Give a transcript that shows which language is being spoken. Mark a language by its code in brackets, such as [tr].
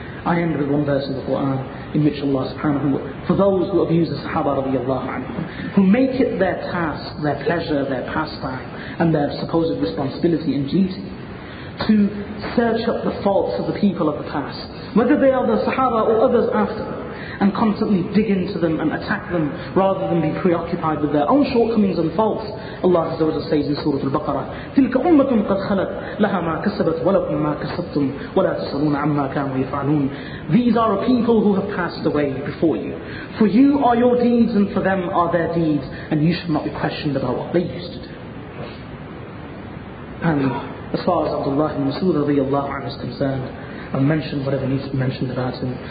[en] I end with one verse of the Quran in which Allah subhanahu wa ta'ala, for those who abuse the Sahaba radiallahu anhu, who make it their task, their pleasure, their pastime, and their supposed responsibility and duty, to search up the faults of the people of the past, whether they are the Sahaba or others after them, and constantly dig into them and attack them rather than be preoccupied with their own shortcomings and faults. Allah says in Surah Al-Baqarah, [ar] تِلْكَ أُمَّةٌ قَدْ خَلَتْ لَهَا مَا كَسَبَتْ وَلَكُمْ مَا كَسَبْتُمْ وَلَا تُسْأَلُونَ عَمَّا كَانُوا يَفْعَلُونَ. [en] These are a people who have passed away before you. For you are your deeds and for them are their deeds, and you should not be questioned about what they used to do. And as far as Abdullah ibn Mas'ud radiyallahu anhu is concerned, and mention whatever needs to be mentioned about him.